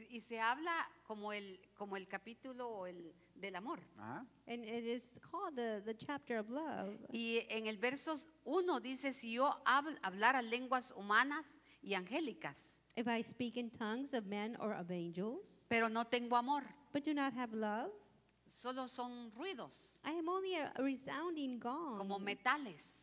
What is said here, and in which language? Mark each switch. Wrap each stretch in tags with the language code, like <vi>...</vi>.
<es>Y se habla como el capítulo del amor. Uh-huh.</es> <en>And it is called the chapter of love.</en> <es>Y en el verso 1 dice, si yo hablara lenguas humanas y angélicas,</es> <en>if I speak in tongues of men or of angels,</en> <es>pero no tengo amor,</es> <en>but do not have love,</en> <es>solo son ruidos,</es> <en>I am only a resounding gong,</en> <es>como metales,</es>